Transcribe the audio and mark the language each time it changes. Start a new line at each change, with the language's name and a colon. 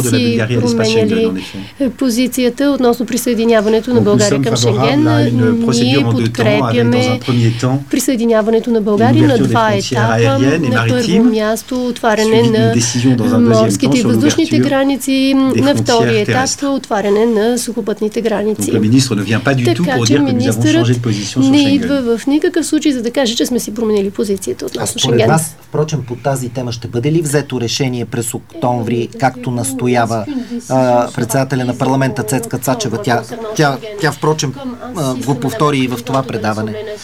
Bulgarian: си променили позицията относно присъединяването на България към Шенген. Ние подкрепяме присъединяването на България на два етапа. На първо място отваряне на морските и въздушните граници, на втори етап отваряне на сухопътните граници.
French: Donc, le ministre ne vient pas du tout pour dire que nous avons changé de position sur Schengen.
Bulgarian: Идва в никакъв случай, за да каже, че сме си променили позицията относно Шенген. Според вас, впрочем, по тази тема ще бъде ли взето решение през октомври, както настоява председателя на парламента Цецка Цачева? Тя впрочем го повтори и в това предаване.